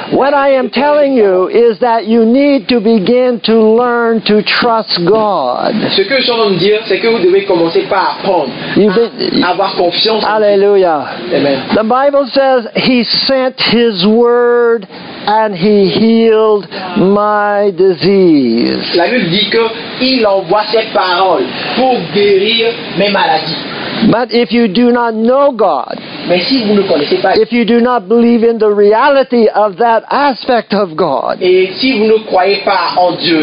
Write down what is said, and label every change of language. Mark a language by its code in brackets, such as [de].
[en] What I am telling you is that you need to begin to learn to trust God. [fr] Ce que je suis en train de dire, c'est que vous devez commencer par apprendre à avoir confiance. Hallelujah. Amen. [en] The Bible says he sent his word and he healed my disease. [fr] La Bible dit que il envoie ses paroles pour guérir mes maladies. [en] But if you do not know God, [fr] mais si vous ne connaissez pas, [en] if you do not believe in the reality of that aspect of God, [fr] et si vous ne croyez pas en Dieu,